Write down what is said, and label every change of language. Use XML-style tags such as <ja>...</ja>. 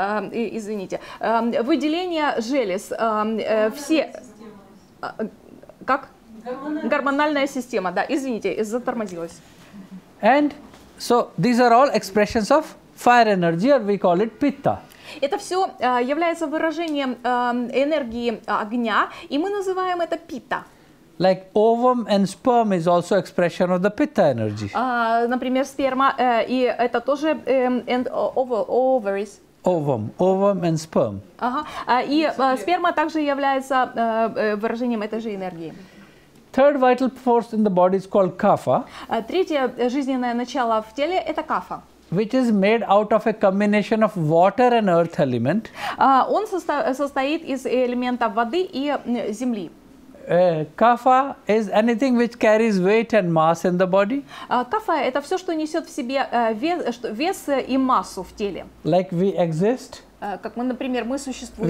<ru>Извините. Выделения желез. Все. Как? Гормональная система, да, извините, затормозилась.</ru> <en>And so these are all expressions of fire energy, or we call it pitta.</en> <ru>Это все является выражением энергии огня, и мы называем это питта.</ru> <en>Like ovum and sperm is also expression of the pitta energy.</en> <ru>Например, сперма, и это тоже ovaries.</ru> <en>Ovum and sperm.</en> <ru>Сперма также является выражением этой же энергии.</ru> <en>Third vital force in the body is called kapha.</en> <ru>Третье жизненное начало в теле – это кафа.</ru> <en>Which is made out of a combination of water and earth element.</en> <ru>Он состоит из элемента воды и земли.</ru> <en>Kapha is anything which carries weight and mass in the body.</en> <ru>Kapha – это все, что несет в себе вес и массу в теле.</ru> <en>Like we exist.</en> <ru>Как мы, например, мы существуем.</ru>